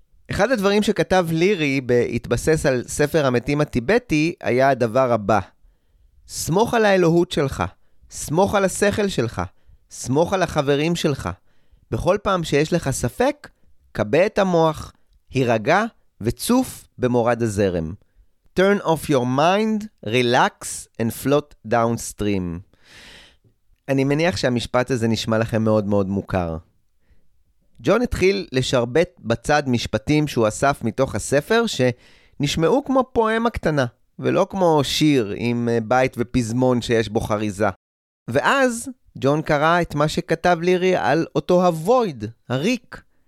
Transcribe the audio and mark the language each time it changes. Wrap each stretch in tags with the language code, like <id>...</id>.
<he>אחד הדברים שכתב לירי בהתבסס על ספר המתים הטיבטי היה הדבר הבא. סמוך על האלוהות שלך. סמוך על השכל שלך. סמוך על החברים שלך. בכל פעם שיש לך ספק, קבע את המוח, הירגע, וצוף במורד הזרם.</he> <en>turn off your mind, relax and float downstream.</en> <he>אני מניח שהמשפט הזה נשמע לכם מאוד מאוד מוכר. ג'ון התחיל לשרבט בצד משפטים שהוא אסף מתוך הספר שנשמעו כמו פואמה קטנה ולא כמו שיר עם בית ופזמון שיש בו חריזה. ואז ג'ון קרא את מה שכתב לירי על אותו הוויד, הריק.</he>